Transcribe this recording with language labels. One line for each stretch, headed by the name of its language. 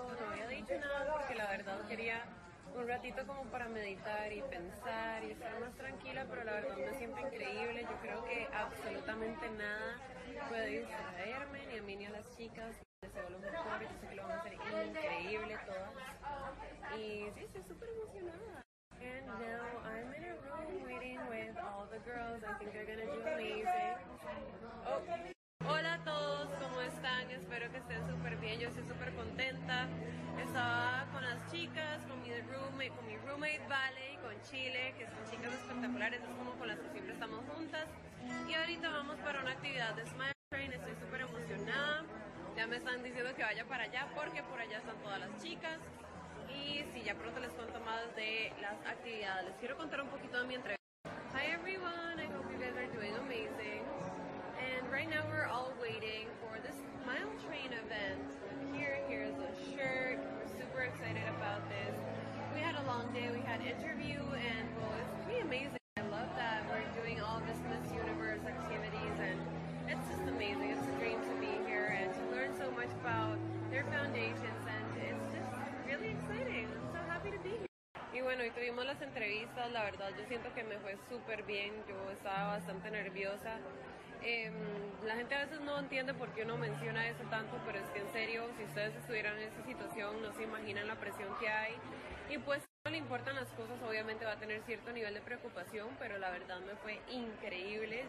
Spanish: No había dicho nada porque la verdad quería un ratito como para meditar y pensar y estar más tranquila, pero la verdad me siento increíble. Yo creo que absolutamente nada puede distraerme, ni a mí ni a las chicas. Deseo lo mejor, yo sé que lo vamos a hacer increíble todas. Y sí, estoy súper emocionada.
English: And now I'm in a room waiting with all the girls. I think they're going to do amazing. Oh.
Spanish: Hola a todos, ¿cómo están? Espero que estén súper bien, yo estoy súper contenta. Estaba con las chicas, con mi roommate Vale y con Chile, que son chicas espectaculares, es como con las que siempre estamos juntas. Y ahorita vamos para una actividad de Smile Train, estoy súper emocionada. Ya me están diciendo que vaya para allá porque por allá están todas las chicas. Y sí, ya pronto les cuento más de las actividades. Les quiero contar un poquito de mi entrevista.
English: Hi everyone, I hope you guys are doing amazing. Right now we're all waiting for this Smile Train event. Here's a shirt. We're super excited about this. We had a long day. We had interview and well, it's pretty amazing. I love that we're doing all this Miss Universe activities and it's just amazing. It's a dream to be here and to learn so much about their foundations and it's just really exciting. I'm so happy to be here.
Spanish: Y bueno, hoy tuvimos las entrevistas. La verdad, yo siento que me fue super bien. Yo estaba bastante nerviosa. La gente a veces no entiende por qué uno menciona eso tanto, pero es que en serio, si ustedes estuvieran en esa situación, no se imaginan la presión que hay. Y pues si no le importan las cosas, obviamente va a tener cierto nivel de preocupación, pero la verdad me fue increíble.